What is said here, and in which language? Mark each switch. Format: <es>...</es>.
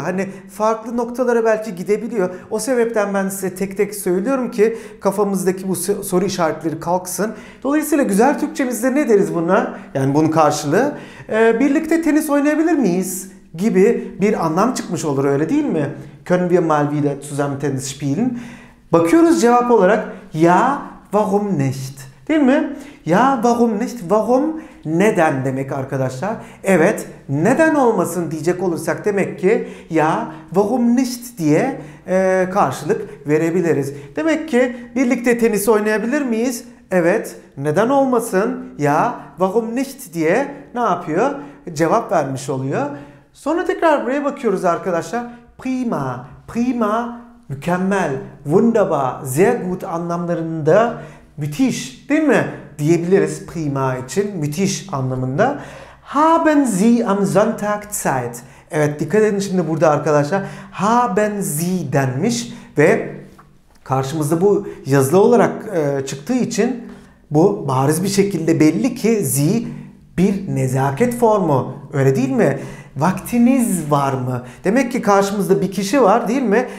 <tr>Hani farklı noktalara belki gidebiliyor. O sebepten ben size tek tek söylüyorum ki kafamızdaki bu soru işaretleri kalksın. Dolayısıyla güzel Türkçemizde ne deriz buna? Yani bunun karşılığı birlikte tenis oynayabilir miyiz gibi bir anlam çıkmış olur, öyle değil mi?</tr> <de>Können wir mal wieder zusammen Tennis spielen?</de> <tr>Bakıyoruz cevap olarak</tr> <de>ya, warum nicht?</de> <tr>Değil mi?</tr> <de>Ya, warum nicht? Warum?</de> <tr>Neden demek arkadaşlar? Evet, neden olmasın diyecek olursak demek ki</tr> <de>ya, warum nicht</de> <tr>diye karşılık verebiliriz. Demek ki birlikte tenis oynayabilir miyiz? Evet, neden olmasın?</tr> <de>Ya, warum nicht</de> <tr>diye ne yapıyor? Cevap vermiş oluyor. Sonra tekrar buraya bakıyoruz arkadaşlar. Prima, prima, mükemmel,</tr> <de>wunderbar, sehr gut</de> <tr>anlamlarında müthiş, değil mi? Diyebiliriz prima için, müthiş anlamında.</tr> <de>Haben Sie am Sonntag Zeit?</de> <tr>Evet, dikkat edin şimdi burada arkadaşlar.</tr> <de>Haben Sie</de> <tr>denmiş ve karşımızda bu yazılı olarak çıktığı için bu bariz bir şekilde belli ki Sie bir nezaket formu, öyle değil mi? Vaktiniz var mı? Demek ki karşımızda bir kişi var, değil mi?</tr>